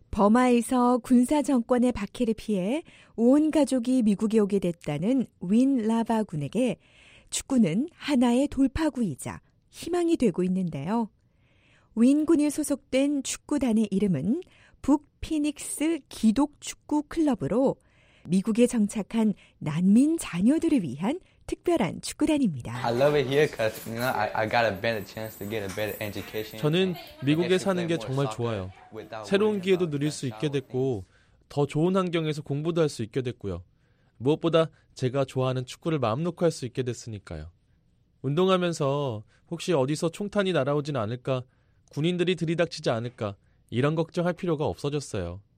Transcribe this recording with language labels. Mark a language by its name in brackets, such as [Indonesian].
[Korean] 버마에서 군사정권의 박해를 피해 온 가족이 미국에 오게 됐다는 윈 라바 군에게 축구는 하나의 돌파구이자 희망이 되고 있는데요. 윈 군이 소속된 축구단의 이름은 북 피닉스 기독 축구 클럽으로 미국에 정착한 난민 자녀들을 위한 특별한 축구단입니다. [English] I love it here cuz you know I got a better chance to get a better education. [Korean] 저는 미국에 사는 게 정말 좋아요. 새로운 기회도 누릴 수 있게 됐고 더 좋은 환경에서 공부도 할 수 있게 됐고요. 무엇보다 제가 좋아하는 축구를 마음 놓고 할 수 있게 됐으니까요. 운동하면서 혹시 어디서 총탄이 날아오진 않을까, 군인들이 들이닥치지 않을까 이런 걱정할 필요가 없어졌어요.